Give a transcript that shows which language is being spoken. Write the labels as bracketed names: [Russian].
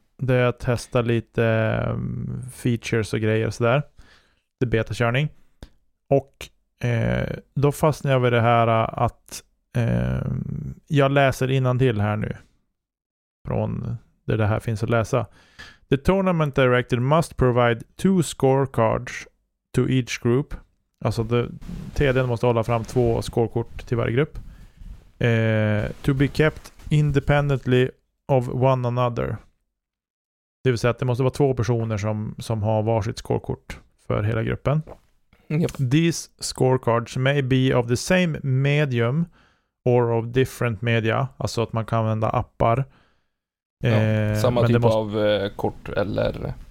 [Swedish] Där jag testar lite features och grejer och sådär. Det är betakörning. Och då fastnade jag vid det här att jag läser innantill här nu från där det här finns att läsa. [English] The tournament director must provide 2 scorecards to each group. [Swedish] Alltså TD:n måste hålla fram 2 scorekort till varje grupp. [English] To be kept independently of one another. [Swedish] Det vill säga att det måste vara 2 personer som har varsitt scorekort för hela gruppen. [English] Yep. These scorecards may be of the same medium or of different media, [Swedish] alltså att man kan använda appar. Samma men typ av kort eller...